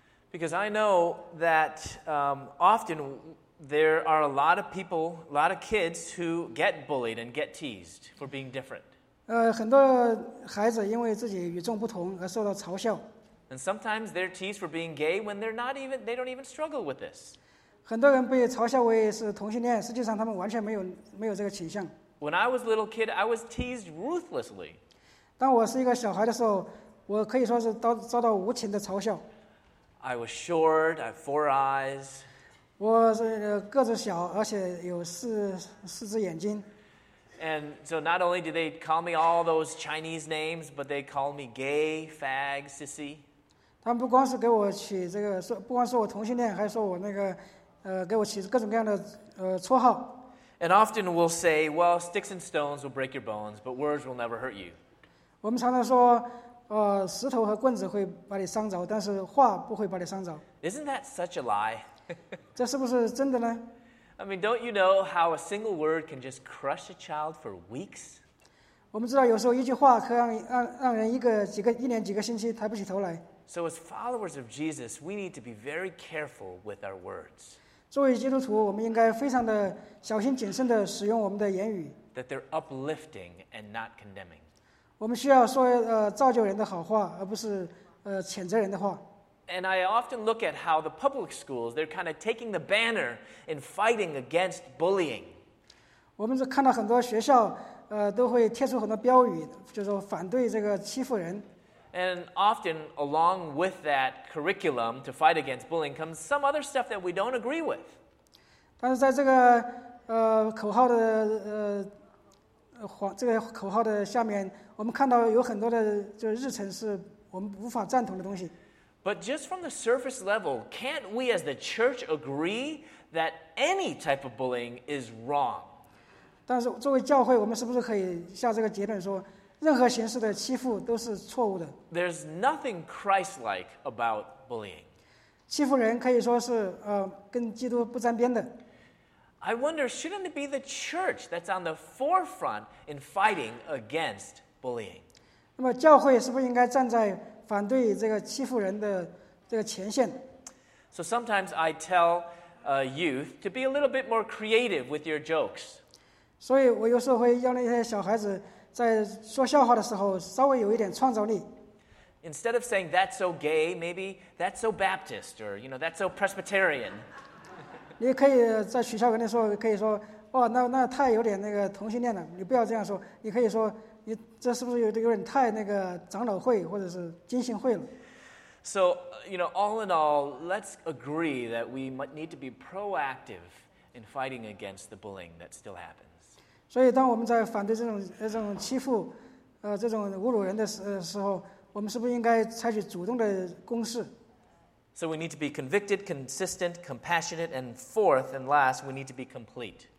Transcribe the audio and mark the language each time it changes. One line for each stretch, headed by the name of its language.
English: Because I know that often there are a lot of people, a lot of kids who get bullied and get teased for being different.
Chinese: 很多孩子因为自己与众不同而受到嘲笑。
English: And sometimes they're teased for being gay when they don't even struggle with this.
Chinese: 很多人被嘲笑为是同性恋，实际上他们完全没有这个倾向。
English: When I was a little kid, I was teased ruthlessly.
Chinese: 当我是一个小孩的时候，我可以说是遭到无情的嘲笑。
English: I was short, I had four eyes.
Chinese: 我是个子小，而且有四只眼睛。
English: And so not only did they call me all those Chinese names, but they called me gay, fag, sissy.
Chinese: 他们不光是给我起这个，不光是我同性恋，还说我那个，给我起各种各样的绰号。
English: And often we'll say, well, sticks and stones will break your bones, but words will never hurt you.
Chinese: 我们常常说，石头和棍子会把你伤着，但是话不会把你伤着。
English: Isn't that such a lie?
Chinese: 这是不是真的呢？
English: I mean, don't you know how a single word can just crush a child for weeks?
Chinese: 我们知道有时候一句话可以让人一年几个星期抬不起头来。
English: So as followers of Jesus, we need to be very careful with our words.
Chinese: 作为基督徒，我们应该非常的小心谨慎地使用我们的言语。
English: That they're uplifting and not condemning.
Chinese: 我们需要说造就人的好话，而不是谴责人的话。
English: And I often look at how the public schools, they're kind of taking the banner and fighting against bullying.
Chinese: 我们看到很多学校都会贴出很多标语，就是说反对这个欺负人。
English: And often, along with that curriculum to fight against bullying, comes some other stuff that we don't agree with.
Chinese: 但是在这个口号的这个口号的下面，我们看到有很多的就是日程是我们无法赞同的东西。
English: But just from the surface level, can't we as the church agree that any type of bullying is wrong?
Chinese: 但是作为教会，我们是不是可以下这个结论说？任何形式的欺负都是错误的。
English: There's nothing Christ-like about bullying.
Chinese: 欺负人可以说是跟基督不沾边的。
English: I wonder, shouldn't it be the church that's on the forefront in fighting against bullying?
Chinese: 那么教会是不是应该站在反对这个欺负人的这个前线？
English: So sometimes I tell youth to be a little bit more creative with your jokes.
Chinese: 所以我有时候会让那些小孩子在说笑话的时候稍微有一点创造力。
English: Instead of saying that's so gay, maybe that's so Baptist or you know, that's so Presbyterian.
Chinese: 你可以在学校跟你说可以说哦，那太有点那个同性恋了，你不要这样说，你可以说你这是不是有点太那个长老会或者是金星会了。
English: So, you know, all in all, let's agree that we need to be proactive in fighting against the bullying that still happens.
Chinese: 所以当我们在反对这种欺负这种侮辱人的时候，我们是不是应该采取主动的攻势？
English: So we need to be convicted, consistent, compassionate, and fourth and last, we need to be complete.